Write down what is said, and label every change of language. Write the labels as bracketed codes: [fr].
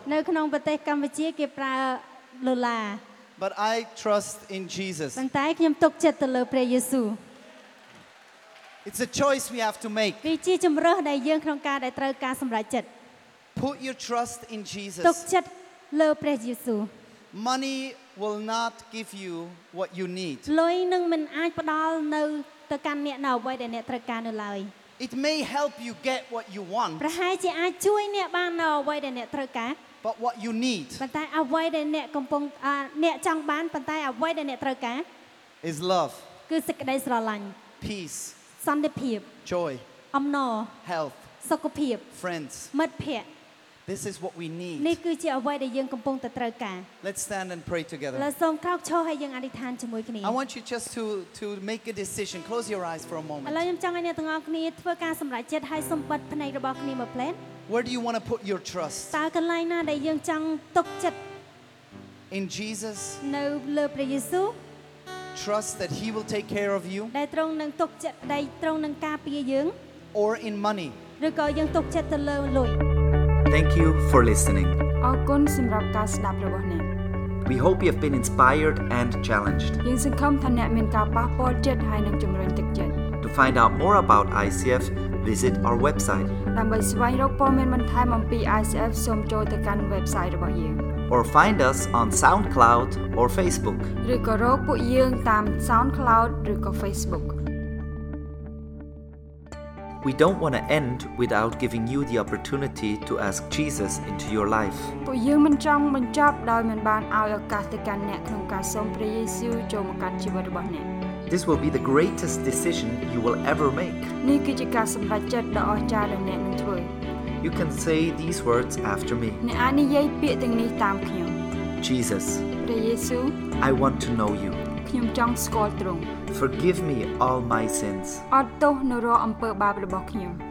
[km] នៅក្នុងប្រទេសកម្ពុជាគេប្រើដុល្លារ [en] But I trust in Jesus [km] ប៉ុន្តែខ្ញុំទុកចិត្តទៅលើព្រះយេស៊ូវ [en] It's a choice we have to make. [km] វាជាជម្រើសដែលយើងក្នុងការដែលត្រូវការសម្រេចចិត្ត [en] Put your trust in Jesus. [km] ទុកចិត្តលើព្រះយេស៊ូវ [en] Money will not give you what you need. [km] លុយនឹងមិនអាចផ្ដល់នៅទៅកាន់អ្នកនៅអ្វីដែលអ្នកត្រូវការនោះឡើយ [en] It may help you get what you want. [km] ប្រហែលជាអាចជួយអ្នកបាននៅអ្វីដែលអ្នកត្រូវការ [en] But what you need. [km] ប៉ុន្តែអ្វីដែលអ្នកកំពុងអ្នកចង់បានប៉ុន្តែអ្វីដែលអ្នកត្រូវការ [en] Is love. [km] គឺសេចក្តីស្រឡាញ់ [en] Peace. [km] សន្តិភាព [en] joy [km] អំណរ [en] health [km] សុខភាព [en] friends [km] មិត្តភក្តិ [en] this is what we need [km] នេះគឺជាអ្វីដែលយើងកំពុងតែត្រូវការ [en] let's stand and pray together [km] ឡើយសូមក្រោកឈរហើយយើងអធិដ្ឋានជាមួយគ្នា [en] I want you just to make a decision close your eyes for a moment [km] ឥឡូវខ្ញុំចង់ឲ្យអ្នកទាំងអស់គ្នាធ្វើការសម្រេចចិត្តឲ្យសម្បត្តិភ្នែករបស់គ្នាមកផ្លែន [en] where do you want to put your trust [km] តើកន្លែងណាដែលយើងចង់ទុកចិត្ត [en] in Jesus [km] នៅលើព្រះយេស៊ូវ [en] Trust that he will take care of you. [km] ដែលត្រង់នឹងទុកចិត្តដែលត្រង់នឹងការពារយើង [en] Or in money. [km] ឬក៏យើងទុកចិត្តទៅលើលុយ [en] Thank you for listening. [km] អរគុណសម្រាប់ការស្ដាប់របស់អ្នក [en] We hope you have been inspired and challenged. [km] យើងសង្ឃឹមថាអ្នកមានការប៉ះពាល់ចិត្តហើយនឹងជំរុញទឹកចិត្ត [en] To find out more about ICF, visit our website. [km] ដើម្បីស្វែងរកព័ត៌មានបន្ថែមអំពី ICF, សូមចូលទៅកាន់ website របស់យើង. [en] Or find us on SoundCloud or Facebook. [km] ឬក៏រកពួកយើងតាម SoundCloud ឬក៏ Facebook. [en] We don't want to end without giving you the opportunity to ask Jesus into your life. [km] ពួកយើងមិនចង់បញ្ចប់ដោយមិនបានឲ្យឱកាសទៅកាន់អ្នកក្នុងការសូមព្រះយេស៊ូវចូលមកកាន់ជីវិតរបស់អ្នក. [en] This will be the greatest decision you will ever make. [km] នេះគឺជាការសម្រេចចិត្តដ៏អស្ចារ្យដែលអ្នកនឹងធ្វើ. [en] You can say these words after me. [km] អ្នកអាចនិយាយពាក្យទាំងនេះតាមខ្ញុំ. [en] Jesus. [km] ព្រះយេស៊ូវ. [en] I want to know you. [km] ខ្ញុំចង់ស្គាល់ទ្រង់ [en] Forgive me all my sins [km] អត់ទោសនៅរាល់អំពើបាបរបស់ខ្ញុំ